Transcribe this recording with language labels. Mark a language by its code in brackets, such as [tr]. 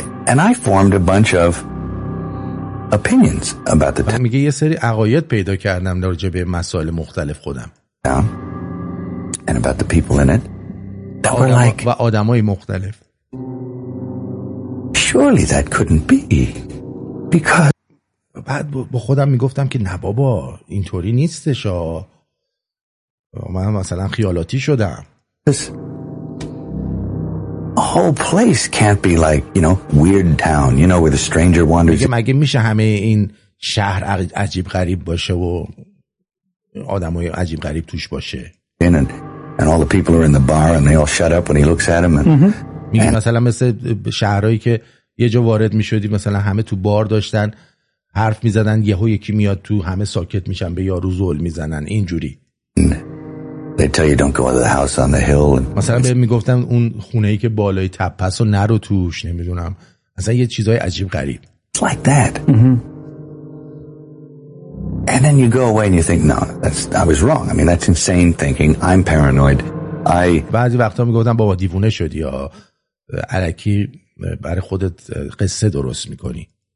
[en] And I formed a bunch of opinions about the [fa] میگه یه سری عقاید پیدا کردم در رابطه با مسائل مختلف خودم. [en] And about the people in it. That were like [fa] و آدمای مختلف. [en] Surely that couldn't be. Because [fa] بعد با خودم میگفتم که نه بابا اینطوری نیستش، من مثلا خیالاتی شدم. [en] A whole place can't be like, you know, weird town, you know, where the stranger wanders. [fa] مگه میشه همه این شهر عجیب غریب باشه و آدمای عجیب غریب توش باشه؟ [en] And all the people are in the bar and they all shut up when he looks at them. [fa] میگه مثلا مثل شهرهایی که یه جا وارد میشدی مثلا همه تو بار داشتن حرف میزدن، یهو یکی میاد تو همه ساکت میشن به یارو زول میزنن اینجوری. [en] They tell you don't go to the house on the hill. [fa] مثلا بهم میگفتن اون خونه‌ای که بالای تپه است و نرو توش، نمیدونم مثلا یه چیزای عجیب غریب. [en] Like that. And then you go away and you think no, I was wrong. I mean that's insane thinking. I'm paranoid. I [fa] بعضی وقتا میگفتن بابا دیوونه شدی یا الکی برای خودت قصه درست میکنی.